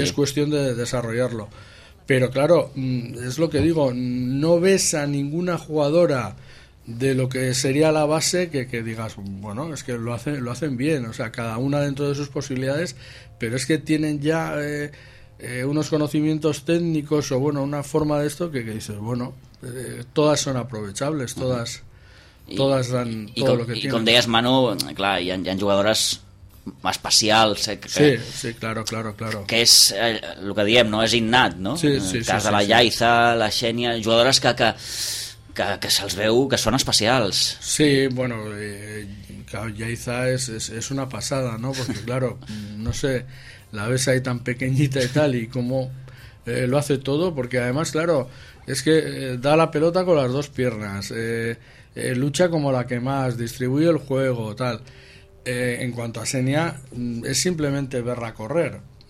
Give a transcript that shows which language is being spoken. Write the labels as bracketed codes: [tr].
[es] Es cuestión de desarrollarlo. Pero claro, es lo que digo, no ves a ninguna jugadora de lo que sería la base que digas, bueno, es que lo hacen bien, o sea, cada una dentro de sus posibilidades, pero es que tienen ya unos conocimientos técnicos o bueno, una forma de esto que dices, bueno, todas son aprovechables, todas. Uh-huh. Todas dan todo lo que tienen. [ca] Y con deies, Manu, clar, hi ha jugadores especials, que, [es] sí, sí, claro, claro, claro. [ca] Que és el que diem, no és innat, no? Sí, sí, en el cas sí, de la sí, Llaiza, sí, la Xènia, jugadores que se'ls veu que són especials. Sí, bueno, Llaiza és una passada, no? [es] Perquè claro, no sé, la ves ahí tan pequeñita y tal y cómo lo hace todo, porque además claro, es que da la pelota con las dos piernas, lucha como la que más, distribuye el juego, tal. En cuanto a Xènia, es simplemente verla correr.